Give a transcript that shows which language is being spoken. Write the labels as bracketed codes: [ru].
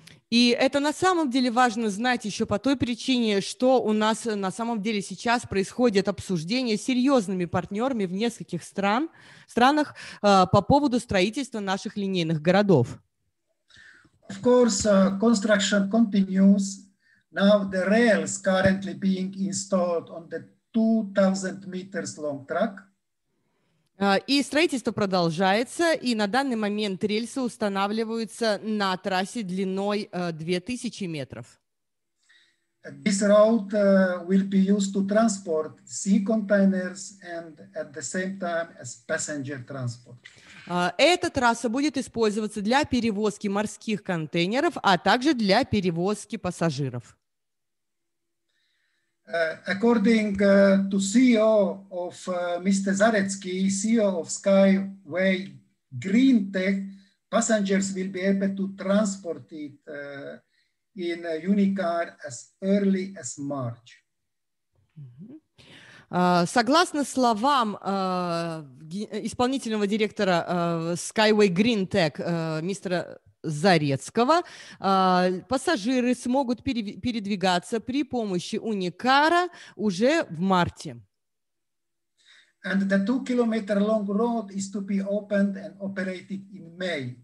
[ru] И это на самом деле важно знать еще по той причине, что у нас на самом деле сейчас происходит обсуждение с серьезными партнерами в нескольких странах по поводу строительства наших линейных городов. [en] Of course, construction continues. Now the rails currently being installed on the 2,000 meters long track. [ru] И строительство продолжается, и на данный момент рельсы устанавливаются на трассе длиной 2000 метров. [en] This route will be used to transport sea containers and at the same time as passenger transport. [ru] Эта трасса будет использоваться для перевозки морских контейнеров, а также для перевозки пассажиров. [en] According to CEO of Mr. Zarecki, CEO of Skyway Green Tech, passengers will be able to transport it in a Unicar as early as March. [ru] Согласно словам исполнительного директора Skyway Green Tech мистера Зарецкого, пассажиры смогут передвигаться при помощи уникара уже в марте. [en] And the 2 kilometer long road is to be opened and operated in May.